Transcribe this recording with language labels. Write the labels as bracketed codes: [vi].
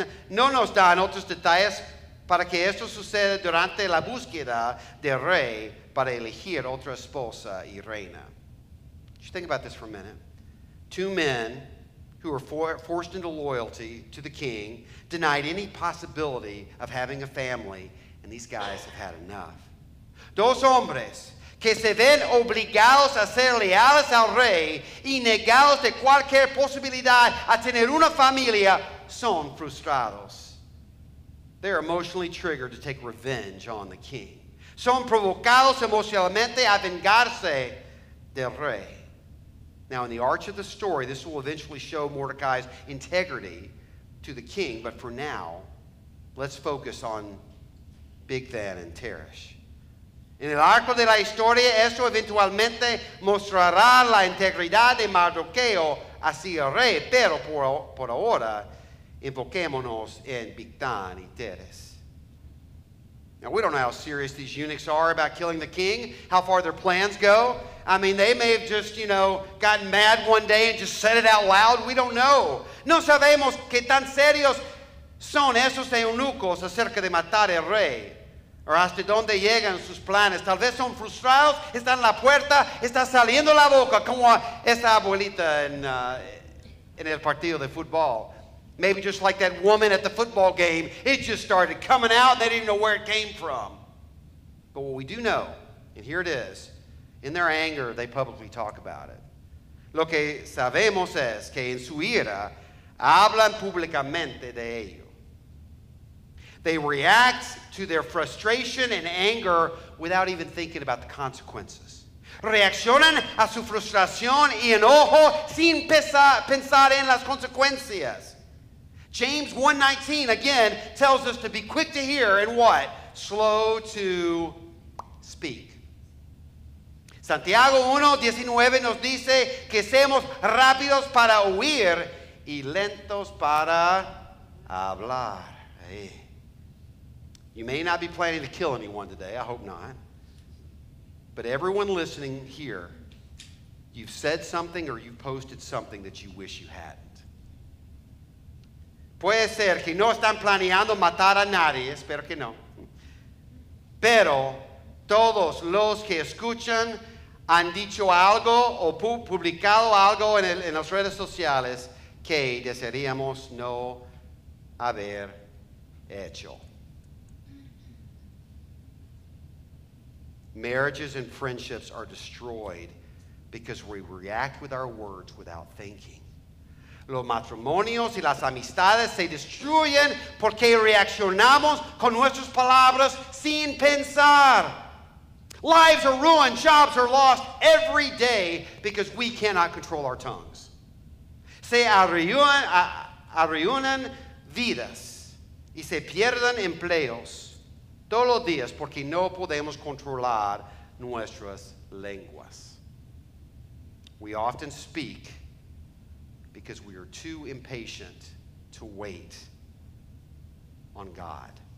[es] No nos dan otros detalles para que esto suceda durante la búsqueda del rey para elegir otra esposa y reina. [en] Just think about this for a minute. Two men who were forced into loyalty to the king, denied any possibility of having a family, and these guys have had enough. [es] Dos hombres que se ven obligados a ser leales al rey y negados de cualquier posibilidad a tener una familia son frustrados. [en] They're emotionally triggered to take revenge on the king. [es] Son provocados emocionalmente a vengarse del rey. [en] Now, in the arch of the story, this will eventually show Mordecai's integrity to the king. But for now, let's focus on Bigtan and Teresh. [es] En el arco de la historia, esto eventualmente mostrará la integridad de Mardoqueo hacia el rey. Pero por ahora, enfoquémonos en Bigtan y Teresh. [en] Now, we don't know how serious these eunuchs are about killing the king, how far their plans go. I mean, they may have just, you know, gotten mad one day and just said it out loud. We don't know. [es] No sabemos qué tan serios son esos eunucos acerca de matar al rey. [en] Or [es] hasta dónde llegan sus planes. Tal vez son frustrados, están en la puerta, está saliendo la boca, como esa abuelita en el partido de fútbol. [en] Maybe just like that woman at the football game, it just started coming out. They didn't know where it came from. But what we do know, and here it is, in their anger, they publicly talk about it. [es] Lo que sabemos es que en su ira, hablan públicamente de ello. [en] They react to their frustration and anger without even thinking about the consequences. [es] Reaccionan a su frustración y enojo sin pensar en las consecuencias. [en] James 1:19 again tells us to be quick to hear and what? Slow to speak. [es] Santiago 1:19 nos dice que seamos rápidos para oír y lentos para hablar. [en] Hey. You may not be planning to kill anyone today. I hope not. But everyone listening here, you've said something or you've posted something that you wish you hadn't. [es] Puede ser que no están planeando matar a nadie, espero que no. Pero todos los que escuchan han dicho algo o publicado algo en las redes sociales que desearíamos no haber hecho. [en] Marriages and friendships are destroyed because we react with our words without thinking. [es] Los matrimonios y las amistades se destruyen porque reaccionamos con nuestras palabras sin pensar. [en] Lives are ruined, jobs are lost every day because we cannot control our tongues. [es] Se arruinan vidas y se pierden empleos todos los días porque no podemos controlar nuestras lenguas. [en] We often speak because we are too impatient to wait on God.